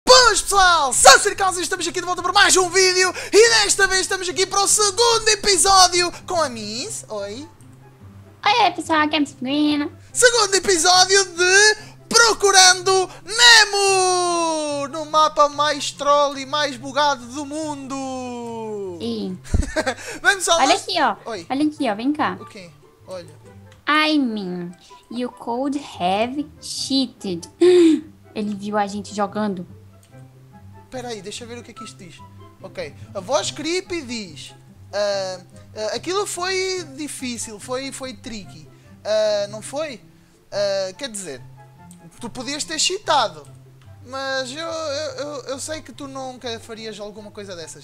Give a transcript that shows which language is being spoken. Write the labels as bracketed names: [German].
[Portuguese] Saudações pessoal, sou o Sirkaus e estamos aqui de volta para mais um vídeo. E desta vez estamos aqui para o segundo episódio com a Miss. Oi. Oi pessoal, aqui é a Miss Pinguina. Segundo episódio de Procurando Nemo, no mapa mais troll e mais bugado do mundo. Sim. Vamos só. Olha aqui, ó. Oi. Olha aqui, ó, vem cá. O quê? Olha. [English] I mean, you could have cheated. [Portuguese] Ele viu a gente jogando. Peraí, deixa eu ver o que é que isto diz. Ok, a voz creepy diz... aquilo foi difícil, foi tricky. Não foi? Quer dizer, tu podias ter cheatado. Mas eu sei que tu nunca farias alguma coisa dessas.